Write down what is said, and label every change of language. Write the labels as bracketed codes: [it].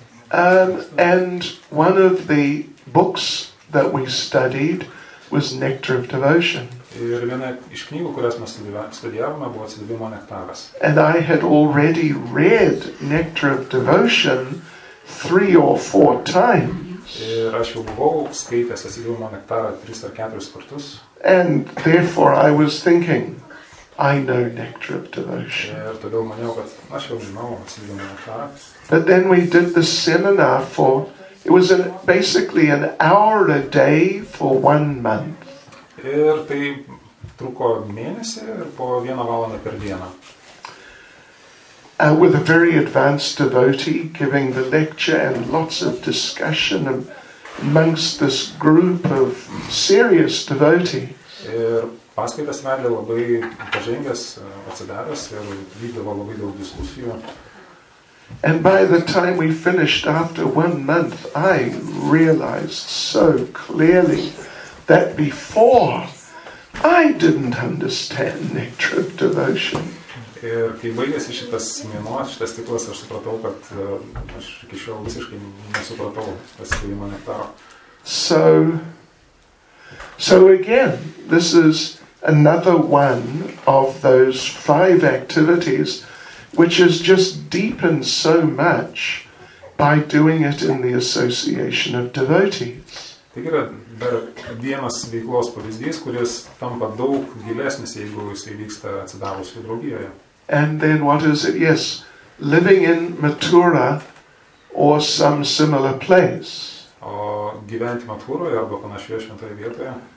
[en] And one of the books that we studied was Nectar of Devotion. [lt] Ir viena iš knygų, kurias mes studijavome, buvo Atsidavimo nektaras. [en] And I had already read Nectar of Devotion 3 or 4 times. [lt] Ir aš jau buvau skaitęs Atsidavimo nektarą 3 ar 4 kartus. [en] And therefore I was thinking, I know Nectar of Devotion. [lt] Ir todėl maniau, kad aš jau žinau Atsidavimo nektarą. [en] But then we did the seminar for, it was basically an hour a day for 1 month. [lt] Ir tai truko mėnesį ir po 1 valandą per dieną. [en] With a very advanced devotee giving the lecture and lots of discussion amongst this group of serious devotees. [lt] Ir paskaitas vedė labai pažengęs, atsidaręs ir vykdavo labai daug diskusijų. [en] And by the time we finished after 1 month, I realized so clearly that before I didn't understand Nectar of Devotion. [lt] Ir kai baigėsi šitas mėnuo, šitas tiklas, aš supratau, kad aš iki šiol visiškai nesupratau Atsidavimo nektaro. [en] So again, this is another one of those 5 activities which has just deepened so much by doing it in the association of devotees. [lt] Taigi yra dar vienas veiklos pavyzdys, kuris tampa daug gilesnis, jeigu jisai vyksta atsidavusių draugijoje. [en] And then what is it? Yes, living in Mathura or some similar place. [lt] O gyventi Mathuroje arba panašioje šventoje vietoje.